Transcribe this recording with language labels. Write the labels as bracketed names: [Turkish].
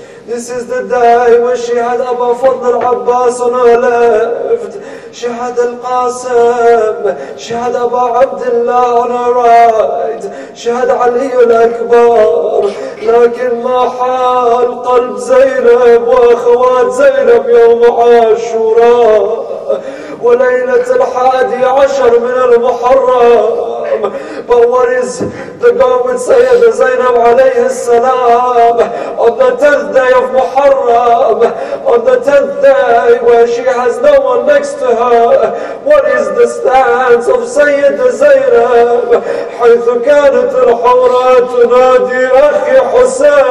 [English] This is the day when she had Abu Fadl al-Abbas on her left. She had Al-Qasim. She had Abu Abdullah on her right. She had Ali al-Akbar. [Arabic] لكن ما حال قلب زينب وأخوات زينب يوم عاشوراء وليلة الحادي عشر من المحرم. [English] But what is the government saying to Zainab alayhi salam on the 10th day of Muharram, on the 10th day where she has no one next to her? What is the stance of Sayyidina Zainab? [Arabic] حيث كانت الحوراء تنادي أخي حسين.